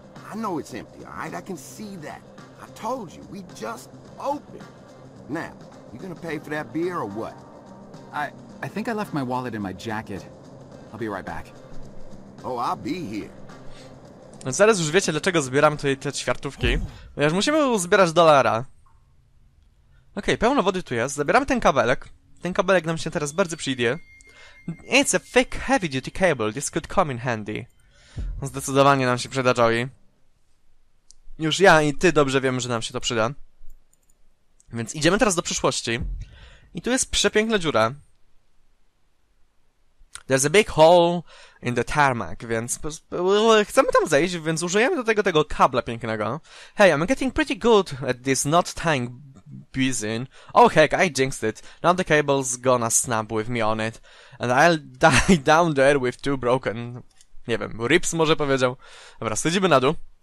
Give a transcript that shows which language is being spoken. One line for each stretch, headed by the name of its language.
English: I know it's empty, all right? I can see that. I told you, we just opened. Now, you gonna pay for that beer or what? I think I left my wallet in my jacket. I'll be right back. Oh, I'll be here.
Polish: No zaraz już wiecie, dlaczego zbieram tutaj te ćwiartówki. Ponieważ musimy uzbierać dolara. Okej, pełno wody tu jest. Zabieramy ten kabelek. Ten kabelek nam się teraz bardzo przyjdzie.
English: It's a thick heavy duty cable. This could come in handy.
Polish: Zdecydowanie nam się przyda, Joey. Już ja i ty dobrze wiemy, że nam się to przyda. Więc idziemy teraz do przyszłości. I tu jest przepiękna dziura.
English: There's a big hole in the tarmac,
Polish: więc chcemy tam zejść, więc użyjemy do tego tego kabla pięknego.
English: Hey, I'm getting pretty good at this knot tying buzzing. Oh heck, I jinxed it. Now the cable's gonna snap with me on it. And I'll die down there with two broken...
Polish: Nie wiem, ribs może powiedział. Dobra, schodzimy na dół.